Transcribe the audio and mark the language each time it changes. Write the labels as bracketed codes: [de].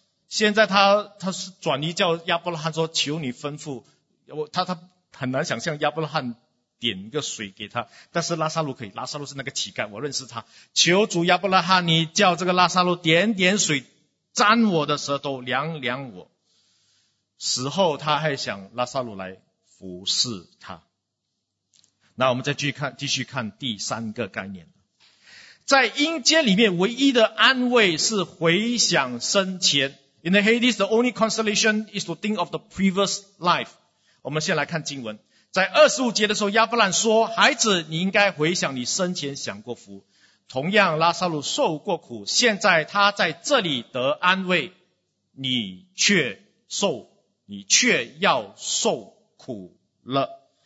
[zh] 现在他是转移叫亚伯拉罕说求你吩咐，他很难想象亚伯拉罕点一个水给他，但是拉撒路可以，拉撒路是那个乞丐，我认识他，求主亚伯拉罕你叫这个拉撒路点点水沾我的舌头凉凉我。死后他还想拉撒路来服侍他。那我们再继续看第三个概念，在阴间里面唯一的安慰是回想生前。 [en] In the Hades, the only consolation is to think of the previous life. [zh] 我们先来看经文，在25节的时候，亚伯兰说，孩子，你应该回想你生前享过福，同样拉撒路受过苦，现在他在这里得安慰，你却要受苦了。